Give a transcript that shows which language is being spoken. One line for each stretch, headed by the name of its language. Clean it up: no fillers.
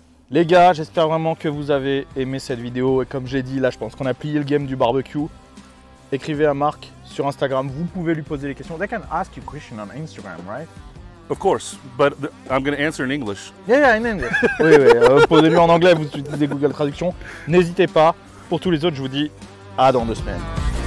French: Les gars, j'espère vraiment que vous avez aimé cette vidéo. Et comme j'ai dit, là, je pense qu'on a plié le game du barbecue. Écrivez à Marc sur Instagram. Vous pouvez lui poser les questions.
English: They can ask you questions on Instagram, right? Of course, but I'm going to answer in English. Yeah, in English.
French: Oui, oui. Posez-lui en anglais, vous utilisez Google Traduction. N'hésitez pas. Pour tous les autres, je vous dis à dans 2 semaines.